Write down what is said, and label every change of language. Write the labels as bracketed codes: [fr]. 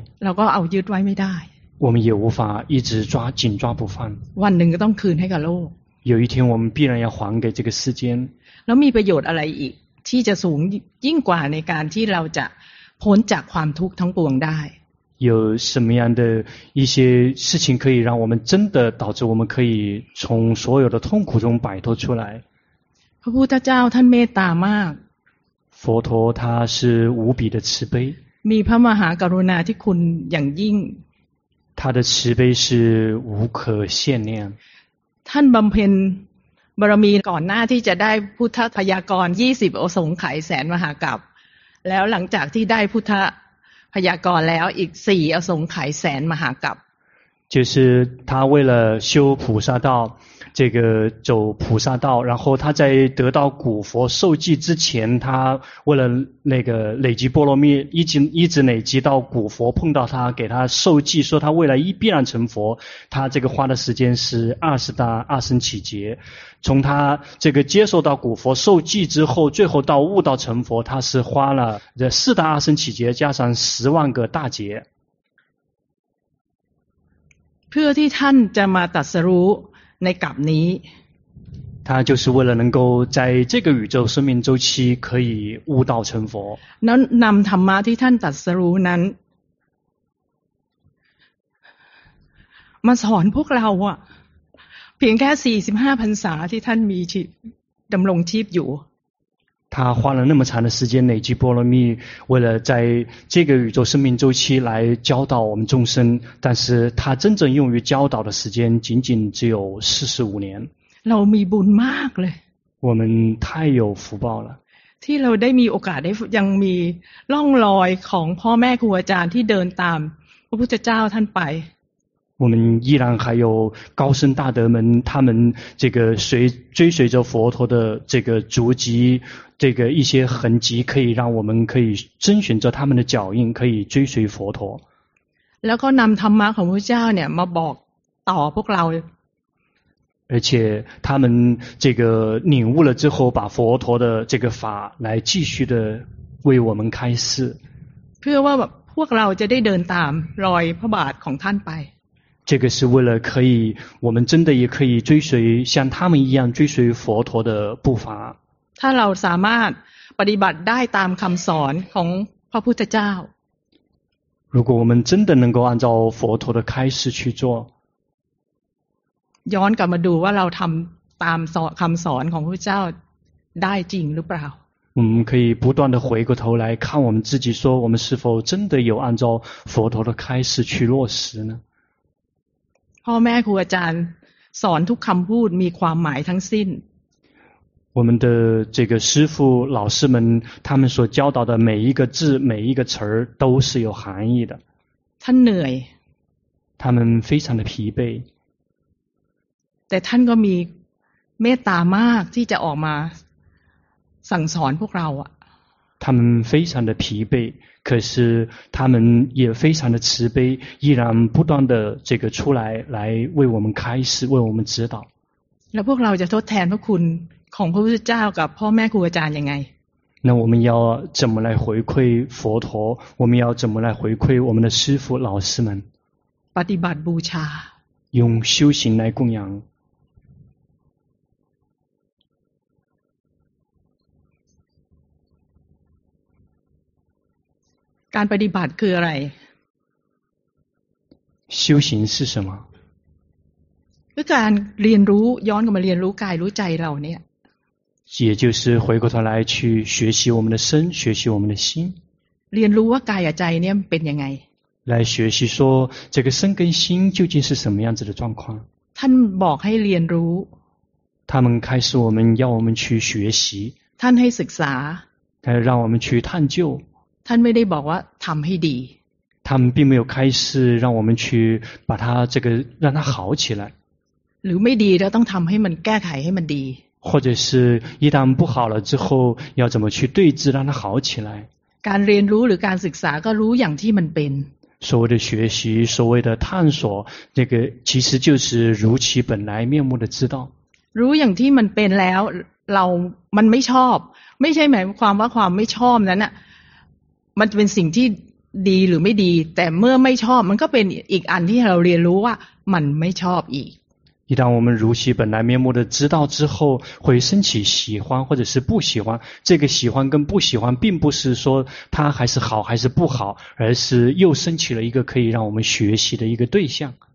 [th] เราก็เอายึดไว้ไม่ได้ [zh] 我们也无法一直抓紧抓不放 [th] วันหนึ่งก็ต้องคืนให้กับโลก [zh] 有一天我们必然要还给这个世间 [th] แล้วมีประโยชน์อะไรอีกที่จะสูงยิ่งกว่าในการที่เราจะพ้นจากความทุกข์ทั้งปวงได้ [zh] 有什么样的一些事情可以让我们真的导致我们可以从所有的痛苦中摆脱出来？ [th] พระพุทธเจ้าท่านเมตตามาก [zh] 佛陀他是无比的慈悲 [th] มีพระมหากรุณาที่คุณอย่างยิ่ง [zh] 他的慈悲是无可限量 [th] ท่านบำเพ็ญบารมีก่อนหน้าที่จะได้พุทธพยากรณ์20อสงไขยแสนมหากัปปแล้วหลังจากที่ได้พุทธพยากรณ์แล้วอีก4อสงไขยแสนมหากัปป์ [zh] 就是他为了修菩萨道这个走菩萨道然后他在得到古佛授记之前他为了那个累积波罗蜜一直累积到古佛碰到他给他授记说他未来一必然成佛他这个花的时间是20大20起劫从他这个接受到古佛受记之后最后到悟道成佛他是花了这4大20起劫加上10万个大劫 [th] เพื่อที่ท่านจะมาตรัสรู้ในกัปนี้ [zh] 他就是为了能够在这个宇宙生命周期可以悟道成佛 [th] นั้นนำธรรมะที่ท่านตรัสรู้นั้นมาสอนพวกเราอะเพียงแค่45 พรรษาที่ท่านมีชีพดำรงชีพอยู่ [zh] 他花了那么长的时间累积波罗蜜为了在这个宇宙生命周期来教导我们众生但是他真正用于教导的时间仅仅只有45年 [th] เรามีบุญมากเลย [zh] 我们太有福报了 [th] ที่เราได้มีโอกาสได้ยังมีร่องรอยของพ่อแม่ครูอาจารย์ที่เดินตามพระพุทธเจ้าท่านไป [zh] 我们依然还有高僧大德们他们这个追随着佛陀的这个足迹这个一些痕迹可以让我们可以遵循着他们的脚印可以追随佛陀 [th] แล้วก็นำธรรมะของพระเจ้าเนี่ยมาบอกต่อพวกเรา [zh] 而且他们这个领悟了之后把佛陀的这个法来继续的为我们开示 [th] เพื่อว่าพวกเราจะได้เดินตามรอยพระบาทของท่านไป [zh] 这个是为了可以我们真的也可以追随像他们一样追随佛陀的步伐 [th] ถ้าเราสามารถปฏิบัติได้ตามคำสอนของพระพุทธเจ้า [zh] 如果我们真的能够按照佛陀的开示去做 [th] ย้อนกลับมาดูว่าเราทำตามคำสอนของพระพุทธเจ้าได้จริงหรือเปล่า เราสามารถย้อนกลับมาดูว่าเราทำตามคำสอนของพระพุทธเจ้าได้จริงหรือเปล่าเราสามารถย้อนกลับมาดูว่าเราทำตามคำสอนของพระพุทธ พ่อแม่ครูอาจารย์สอนทุกคำพูดมีความหมายทั้งสิ้น [zh] 我们的这个师父老师们他们所教导的每一个字每一个词儿都是有含义的 [th] ท่านเหนื่อย [zh] 他们非常的疲惫 [th] แต่ท่านก็มีเมตตามากที่จะออกมา สั่งสอนพวกเราอ่ะ [zh] 他们非常的疲惫，可是他们也非常的慈悲，依然不断的这个出来来为我们开示，为我们指导。 [th] แล้วพวกเราจะทดแทนพระคุณของพระพุทธเจ้ากับพ่อแม่ครูอาจารย์ยังไง？ [zh] 那我们要怎么来回馈佛陀？我们要怎么来回馈我们的师父老师们？ [th] ปฏิบัติบูชา。 [zh] 用修行来供养。 [th] การปฏิบัติคืออะไร [zh] 修行是什么 [th] คือการเรียนรู้ย้อนกลับมาเรียนรู้กายรู้ใจเราเนี่ย [zh] 也就是回过头来去学习我们的身学习我们的心 [th] เรียนรู้ว่ากายกับใจเนี่ยเป็นยังไง [zh] 来学习说这个身跟心究竟是什么样子的状况 [th] ท่านบอกให้เรียนรู้ [zh] 他们开始我们要我们去学习 [th] ท่านให้ศึกษา ท่านให้ [zh] 我们去探究 [th] ท่านไม่ได้บอกว่าทำให้ดี [zh] 他们并没有开始让我们去把它这个让它好起来 [th] หรือไม่ดีแล้วต้องทำให้มันแก้ไขให้มันดี [zh] 或者是一旦不好了之后要怎么去对治让它好起来 [th] การเรียนรู้หรือการศึกษาก็รู้อย่างที่มันเป็น [zh] 所谓的学习所谓的探索那个其实就是如其本来面目的知道 [th] รู้อย่างที่มันเป็นแล้วเรามันไม่ชอบไม่ใช่หมายความว่าความไม่ชอบนั้นอะมันเป็นสิ่งที่ดีหรือไม่ดีแต่เมื่อไม่ชอบมันก็เป็นอีกอันที่เราเรียนรู้ว่ามันไม่ชอบอีก [zh] 一旦我们如其本来面目的知道之后会升起喜欢或者是不喜欢这个喜欢跟不喜欢并不是说它还是好还是不好而是又升起了一个可以让我们学习的一个对象